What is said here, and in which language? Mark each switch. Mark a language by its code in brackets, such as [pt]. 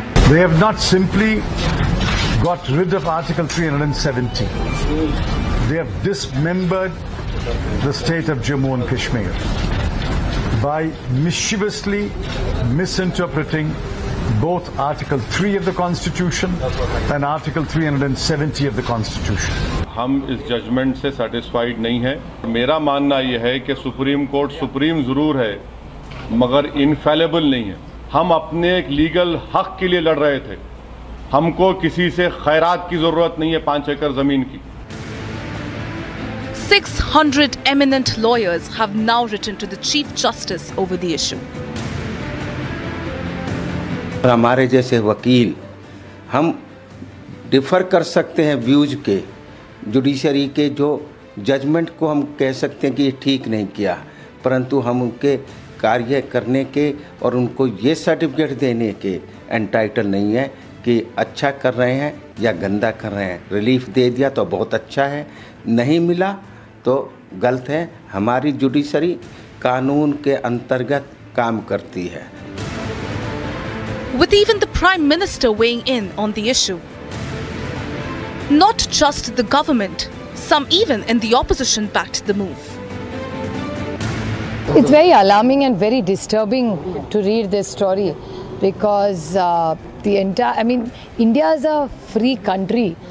[en] They have not simply got rid of Article 370. They have dismembered the state of Jammu and Kashmir by mischievously misinterpreting both Article 3 of the Constitution and Article 370 of the Constitution. [hi] हम इस judgement से satisfied नहीं हैं. मेरा मानना यह है कि सुप्रीम कोर्ट सुप्रीम जरूर है मगर इनफेलेबल नहीं है. हम अपने एक लीगल हक के लिए लड़ रहे थे. हमको किसी से खैरात की जरूरत नहीं है 5 एकड़ जमीन की. [en] 600 eminent lawyers have now written to the Chief Justice over the issue. [hi] हमारे जैसे वकील हम डिफर कर सकते हैं व्यूज के जुडिशरी के जो जजमेंट को हम कह सकते हैं कि ठीक नहीं किया, परंतु हम उनके कार्य करने के और उनको ये सर्टिफिकेट देने के एंटाइटल नहीं है कि अच्छा कर रहे हैं या गंदा कर रहे हैं. रिलीफ दे दिया तो बहुत अच्छा है, नहीं मिला तो गलत है. हमारी जुडिशरी कानून के अंतर्गत काम करती है. [en] With even the Prime Minister weighing in on the issue. Not just the government, some even in the opposition backed the move. It's very alarming and very disturbing to read this story because India is a free country.